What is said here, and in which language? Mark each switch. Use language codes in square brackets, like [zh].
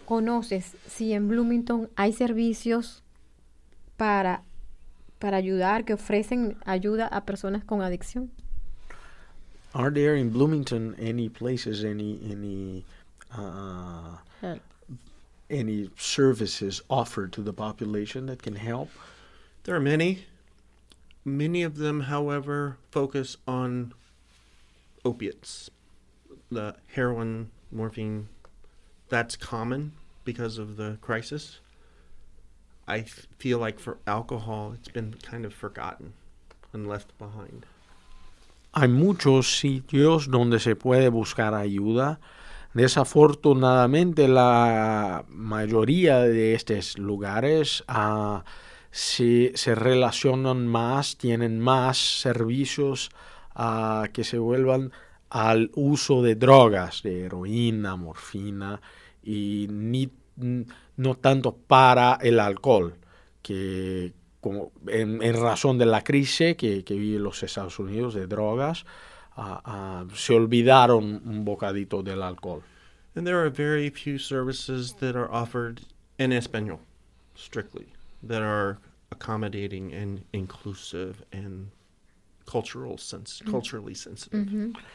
[es] ¿Conoces si en Bloomington hay servicios para ayudar, que ofrecen ayuda a personas con adicción? [en] Are there in Bloomington any places, any services offered to the population that can help? There are many. Many of them, however, focus on opiates, the heroin, morphine. That's common because of the crisis. I feel like for alcohol, it's been kind of forgotten and left behind. [es] Hay muchos sitios donde se puede buscar ayuda. Desafortunadamente, la mayoría de estos lugares se relacionan más, tienen más servicios que se vuelvan al uso de drogas, de heroína, morfina, y no tanto para el alcohol, que como en razón de la crisis que vive los Estados Unidos de drogas, se olvidaron un bocadito del alcohol. [en] And there are very few services that are offered [es] en español, [en] strictly, that are accommodating and inclusive and culturally sensitive.